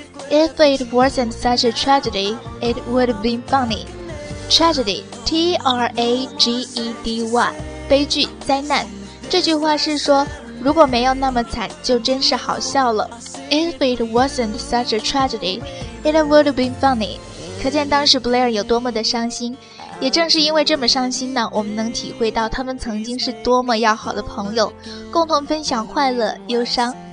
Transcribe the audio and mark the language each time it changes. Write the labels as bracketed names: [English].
[English] If it wasn't such a tragedy, it would have been funny. Tragedy, T-R-A-G-E-D-Y, 悲剧、灾难。 [Chinese] 这句话是说，如果没有那么惨，就真是好笑了。 [English] If it wasn't such a tragedy, it would have been funny. [Chinese] 可见当时 Blair 有多么的伤心，也正是因为这么伤心呢，我们能体会到他们曾经是多么要好的朋友，共同分享快乐、忧伤。